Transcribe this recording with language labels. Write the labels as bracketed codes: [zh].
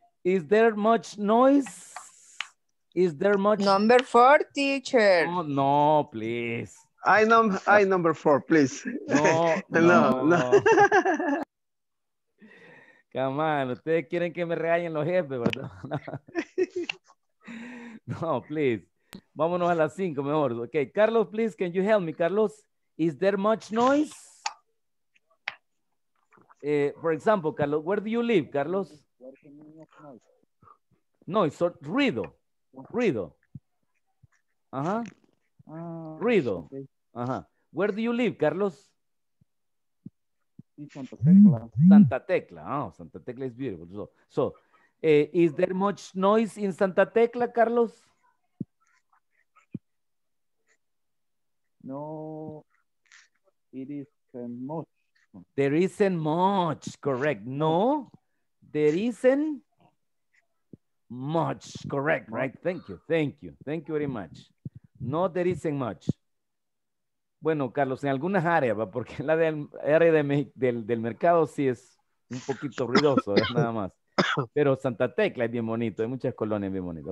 [en] Is there much noise? Is there much... Number four, teacher. Oh, no, please. I number four, please. No, no, no, no. Come on, [es] ustedes quieren que me regañen los jefes, ¿verdad? [en] No. No, please. [es] Vámonos a las cinco mejor. [en] Okay, Carlos, please, can you help me, Carlos? Is there much noise? For example, Carlos, where do you live, Carlos? Noise, so, [es] ruido. Ruido. Ajá. Ruido. Ajá. [en] Where do you live, Carlos? In Santa Tecla. Santa Tecla. Oh, Santa Tecla is beautiful. So, so is there much noise in Santa Tecla, Carlos? No, it isn't much. There isn't much, correct. No, there isn't much, correct, right? Thank you, thank you, thank you very much. No, there isn't much. [es] Bueno, Carlos, en algunas áreas, porque la del área de, del mercado sí es un poquito ruidoso, es nada más. Pero Santa Tecla es bien bonito, hay muchas colonias bien bonitas.